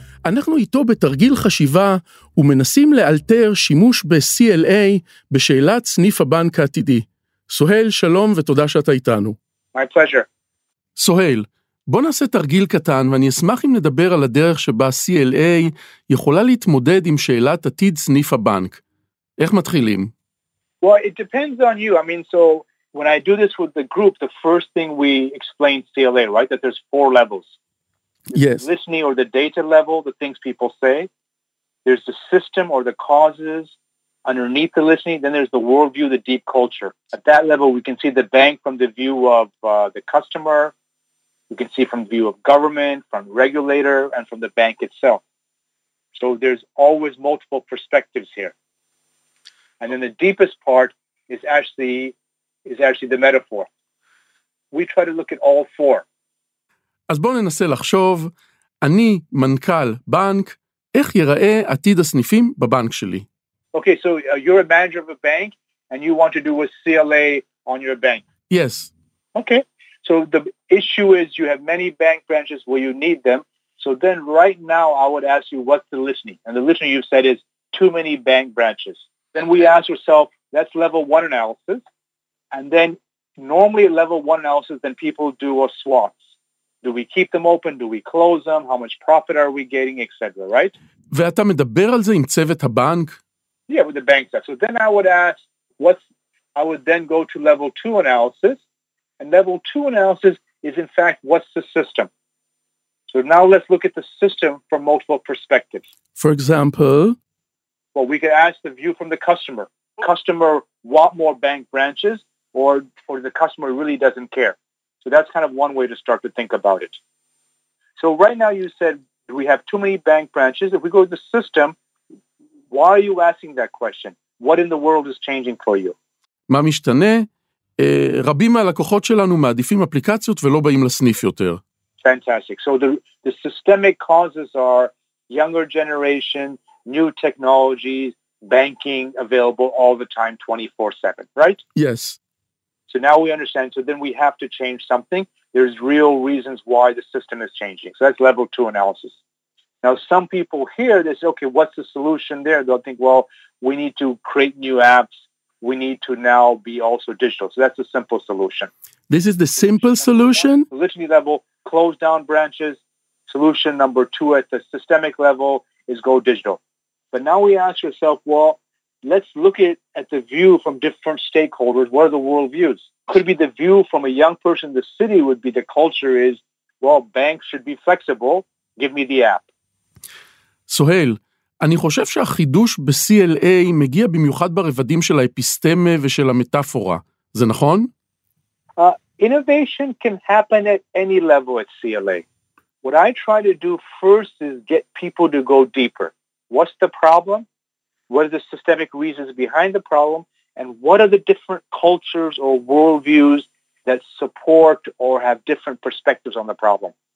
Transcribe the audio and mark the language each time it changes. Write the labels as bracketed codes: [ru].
[he] אנחנו איתו בתרגיל חשיבה ומנסים לאלתר שימוש ב-CLA בשאלת סניף הבנק העתידי. סוהיל, שלום ותודה שאתה איתנו. [en] My pleasure. [he] סוהיל, בוא נעשה תרגיל קטן ואני אשמח אם נדבר על הדרך שבה CLA יכולה להתמודד עם שאלת עתיד סניף הבנק. איך מתחילים? [en] Well, it depends on you. I mean, so when I do this with the group, the first thing we explain CLA, right? That there's four levels. Yes. Listening or the data level, the things people say. There's the system or the causes underneath the listening. Then there's the worldview, the deep culture. At that level, we can see the bank from the view of the customer. We can see from the view of government, from regulator, and from the bank itself. So there's always multiple perspectives here. And then the deepest part is actually the metaphor. We try to look at all four. [he] אז בואו ננסה לחשוב, אני מנכ״ל בנק, איך ייראה עתיד הסניפים בבנק שלי? [en] Okay, so you're a manager of a bank, and you want to do a CLA on your bank. Yes. Okay, so the issue is you have many bank branches where you need them. So then right now I would ask you, what's the listening? And the listening you've said is too many bank branches. Then we ask yourself, that's level one analysis. And then normally at level one analysis, then people do a SWOT. Do we keep them open? Do we close them? How much profit are we getting, etc., right? [he] ואתה מדבר על זה עם צוות הבנק? [en] Yeah, with the bank staff. So then I would ask, I would then go to level two analysis. And level two analysis is, in fact, what's the system? So now let's look at the system from multiple perspectives. For example? Well, we could ask the view from the customer. Customer want more bank branches, or the customer really doesn't care. So that's kind of one way to start to think about it. So right now you said we have too many bank branches. If we go to the system, why are you asking that question? What in the world is changing for you? [he] מה משתנה? רבים מהלקוחות שלנו מעדיפים אפליקציות ולא באים לסניף יותר. [en] Fantastic. So the systemic causes are younger generation, new technologies, banking available all the time 24/7, right? Yes. So now we understand, so then we have to change something. There's real reasons why the system is changing. So that's level two analysis. Now, some people hear this, okay, what's the solution there? They'll think, well, we need to create new apps. We need to now be also digital. So that's a simple solution. This is the simple solution? Literally level, close down branches. Solution number two at the systemic level is go digital. But now we ask yourself, well, let's look at the view from different stakeholders. What are the world views? Could be the view from a young person in the city would be the culture is, well, banks should be flexible. Give me the app. [he] סוהיל, אני חושב שהחידוש ב-CLA מגיע במיוחד ברבדים של האפיסטמה ושל המטאפורה. זה נכון? [en] Innovation can happen at any level at CLA. What I try to do first is get people to go deeper. What's the problem? What are the systemic reasons behind the problem? And what are the different cultures or worldviews that support or have different perspectives on the problem?